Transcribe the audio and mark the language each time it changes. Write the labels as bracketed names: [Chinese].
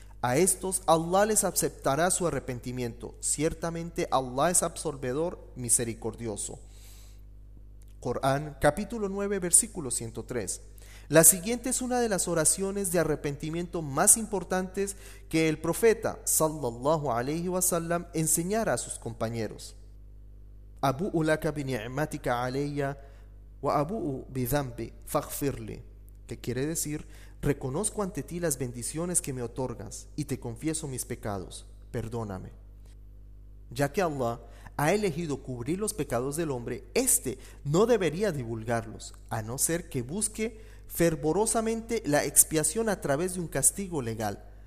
[Spanish] A estos Allah les aceptará su arrepentimiento. Ciertamente Allah es absolvedor, misericordioso. Corán, capítulo 9, versículo 103. La siguiente es una de las oraciones de arrepentimiento más importantes que el profeta sallallahu alayhi wa sallam enseñara a sus compañeros. [Arabic] أبوء لك بنعمتك علي وأبوء بذنبي فاغفر لي. [Spanish] Que quiere decir: reconozco ante ti las bendiciones que me otorgas y te confieso mis pecados, perdóname. Ya que Allah ha elegido cubrir los pecados del hombre, este no debería divulgarlos, a no ser que busque fervorosamente la expiación a través de un castigo legal.